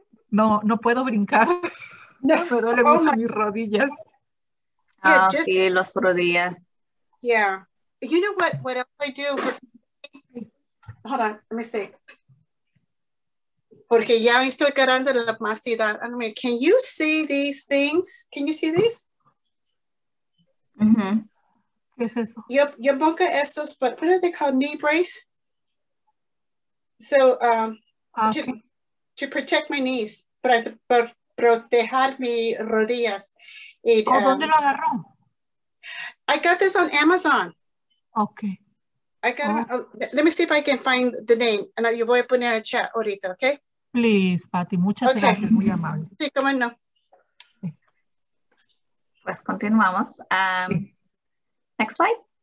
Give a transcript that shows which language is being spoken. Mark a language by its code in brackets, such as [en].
[es] No puedo brincar. No. Me duele mucho mis rodillas. Sí, las rodillas. [en] Yeah. You know what else I do? Hold on, let me see. [es] Porque ya estoy ganando la más edad. [en] I mean, can you see these things? Can you see these? Mm-hmm. [es] ¿Qué es eso? Yo pongo estos, [en] but what are they called? Knee brace. So, to protect my knees, [es] para proteger mis rodillas. ¿Dónde lo agarró? [en] I got this on Amazon. Okay. Let me see if I can find the name. [es] And yo voy a poner en el chat ahorita, okay? Please, Patty, muchas okay. gracias, muy amable. Sí, cómo no. Pues continuamos. [en] Next slide.